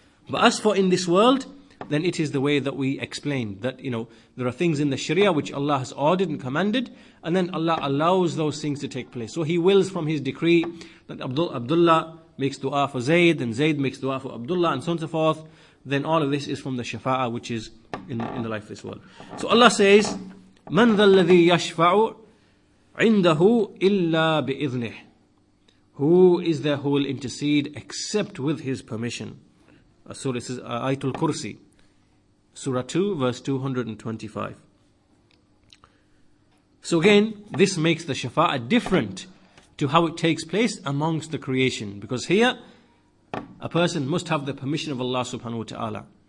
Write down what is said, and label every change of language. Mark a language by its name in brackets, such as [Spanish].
[English] But as for in this world, then it is the way that we explained, that there are things in the Sharia which Allah has ordered and commanded, and then Allah allows those things to take place. So He wills from His decree that Abdullah makes dua for Zayd, and Zayd makes dua for Abdullah, and so on and so forth. Then all of this is from the shafa'a, which is in the life of this world. So Allah says, [Arabic] "Man ذا الذي يشفع عنده إلا بإذنه." [English] Who is there who will intercede except with His permission? Surah says, Ayatul Kursi, Surah 2, verse 225. So again, this makes the shafa'a different to how it takes place amongst the creation, because here, a person must have the permission of Allah subhanahu wa ta'ala.